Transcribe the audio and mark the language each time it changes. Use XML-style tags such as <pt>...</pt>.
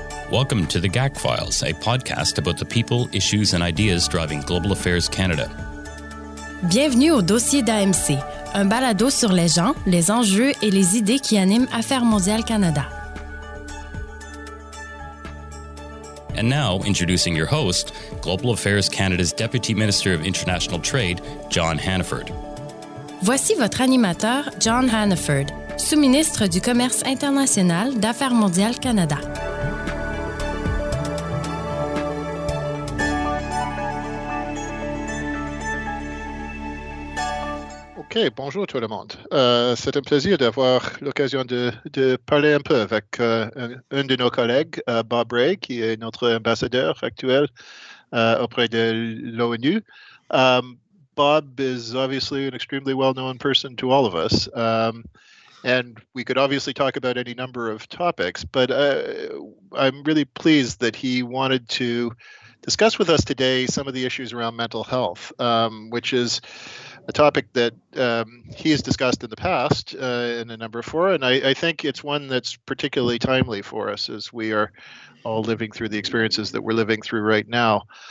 <en>Welcome to The GAC Files, a podcast about the people, issues and ideas driving Global Affairs Canada.</en> <fr>Bienvenue au dossier d'AMC, un balado sur les gens, les enjeux et les idées qui animent Affaires mondiales Canada.</fr> <en>And now, introducing your host, Global Affairs Canada's Deputy Minister of International Trade, John Hannaford.</en> <fr>Voici votre animateur, John Hannaford, sous-ministre du Commerce international d'Affaires mondiales Canada. OK, bonjour tout le monde. C'est un plaisir d'avoir l'occasion de parler un peu avec un de nos collègues, Bob Ray, qui est notre ambassadeur actuel auprès de l'ONU.</fr> <en>Bob is obviously an extremely well-known person to all of us, and we could obviously talk about any number of topics, but I'm really pleased that he wanted to discuss with us today some of the issues around mental health, which is a topic that he has discussed in the past in a number of fora, and I think it's one that's particularly timely for us as we are all living through the experiences that we're living through right now.</en>